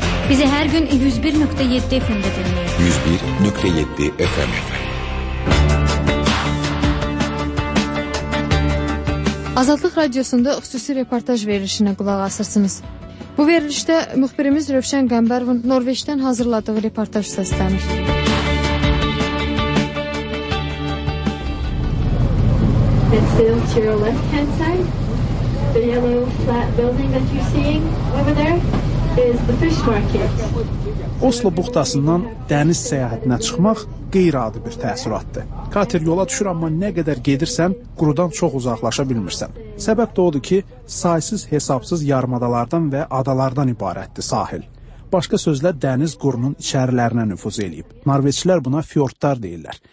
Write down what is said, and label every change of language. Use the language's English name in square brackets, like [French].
[Azerbaijani] Bizi hər gün 101.7 FM-də dinləyin. 101.7 FM. Azadlıq Radiosunda xüsusi reportaj verilişinə qulaq asırsınız. Bu verilişdə müxbirimiz Rövşən Qəmbərovun Norveçdən hazırladığı reportaj səslənir. [English] It's still to your left-hand side. The yellow flat building that you're seeing over there is the fish market. [Azerbaijani] Oslo buxtasından dəniz səyahətinə çıxmaq qeyri-adi bir təəssüratdır. Kater yola düşür, amma nə qədər gedirsən, qurudan çox uzaqlaşa bilmirsən. Səbəb də odur ki, saysız-hesabsız yarımadalardan və adalardan ibarətdir sahil. Başqa sözlə, dəniz qurunun içərilərinə nüfuz eləyib. Norveçlər buna fjordlar deyirlər.